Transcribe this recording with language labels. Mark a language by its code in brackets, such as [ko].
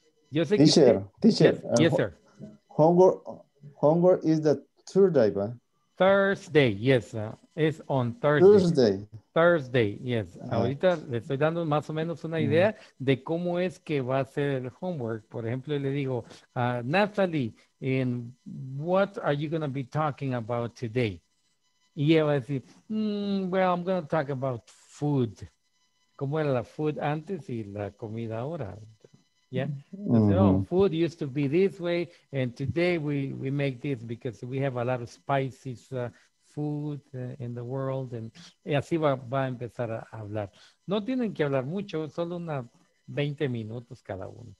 [es] yo sé teacher, que... Teacher, [en] yes, sir. Homework is the Thursday, [es] ¿verdad? [en] Thursday, yes, it's on Thursday. Thursday, yes. Uh-huh. [es] Ahorita le estoy dando más o menos una idea de cómo es que va a ser el homework. Por ejemplo, le digo, Natalie, [en] in what are you going to be talking about today? [es] Y ella va a decir, [en] well, I'm going to talk about food. [es] ¿Cómo era la food antes y la comida ahora? [en] Yeah. [es] Entonces, mm-hmm. [en] Oh, food used to be this way, and today we make this because we have a lot of spicy food in the world. And [es] así va a empezar a hablar. No tienen que hablar mucho, solo unas 20 minutos cada uno.